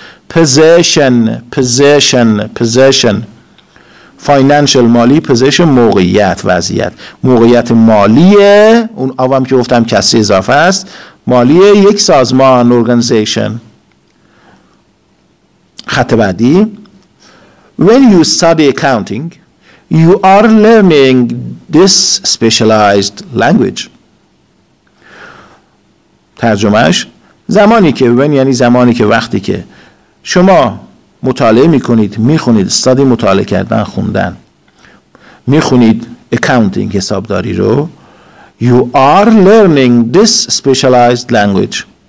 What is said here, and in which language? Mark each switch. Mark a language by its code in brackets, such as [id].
[fa] position financial مالی، position موقعیت، وضعیت، موقعیت مالی. اون آوام که گفتم کسی اضافه است، مالی یک سازمان، organization. خط بعدی. [en] When you study accounting you are learning this specialized language. [fa] ترجمهش، زمانی که، when یعنی زمانی که، وقتی که شما مطالعه میکنید، میخونید، study مطالعه کردن، خوندن، میخونید accounting، حسابداری رو، [en] you are learning this specialized language.